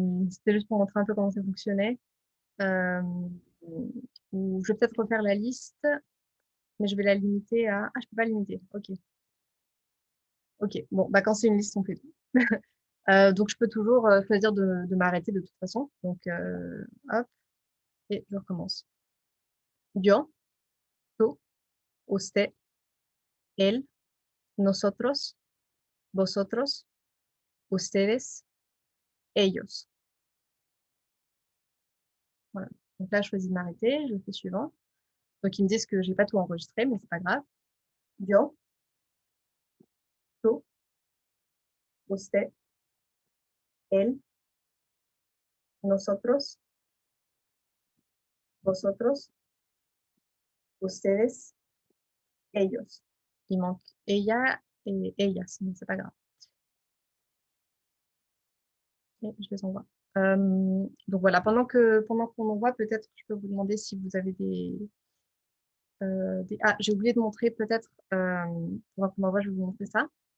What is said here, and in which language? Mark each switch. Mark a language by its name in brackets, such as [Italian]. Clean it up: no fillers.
[French] C'était juste pour montrer un peu comment ça fonctionnait. Je vais peut-être refaire la liste, mais je vais la limiter à... Ah, je peux pas limiter. Ok. Ok. Bon, bah, quand c'est une liste, on fait tout. Donc, je peux toujours choisir de m'arrêter de toute façon. Donc, hop, et je recommence. [Spanish] Yo, tú, usted, él, nosotros, vosotros, ustedes, ellos. [French] Voilà. Donc là, je choisis de m'arrêter, je fais suivant. Donc, ils me disent que je n'ai pas tout enregistré, mais ce n'est pas grave. [Spanish] Yo, usted, él, nosotros, vosotros, ustedes, ellos. [French] Il manque ella et ellas, mais c'est pas grave. Et je les envoie. Donc voilà, pendant qu'on envoie, peut-être que je peux vous demander si vous avez Ah, j'ai oublié de montrer peut-être, pendant qu'on envoie, je vais vous montrer ça.